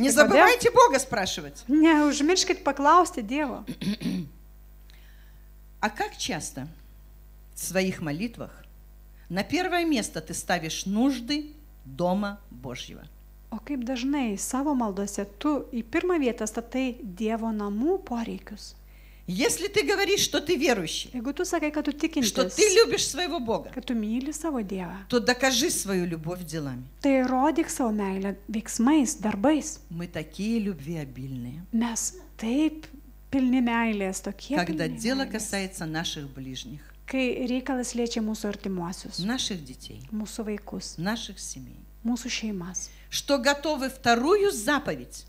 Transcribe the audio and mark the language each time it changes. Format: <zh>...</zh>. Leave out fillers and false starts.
<ru>Не забывайте Бога спрашивать.</ru> <lt>Не, užmirškit paklausti Dievo.</lt> <ru>А как часто в своих молитвах на первое место ты ставишь нужды дома Божьего?</ru> <lt>O kaip dažnai savo maldose tu į pirmą vietą statai Dievo namų poreikius?</lt> <ru>Если ты говоришь, что ты верующий,</ru> <lt>tu sakai, kad tu tikintis,</lt> <ru>что ты любишь своего Бога,</ru> <lt>kad tu myli savo Dievą,</lt> <ru>то докажи свою любовь делами.</ru> <lt>Tai rodik savo meilę veiksmais, darbais.</lt> <ru>Мы такие любви обильные.</ru> <lt>Mes taip pilni meilės, tokie</lt> <ru>когда</ru> <lt>pilni</lt> <ru>дело</ru> <lt>meilės.</lt> <ru>Касается наших ближних,</ru> <lt>kai reikalas liečia mūsų artimuosius,</lt> <ru>наших детей,</ru> <lt>mūsų vaikus,</lt> <ru>наших семей,</ru> <lt>mūsų šeimas.</lt> <ru>Что готовы вторую заповедь,</ru>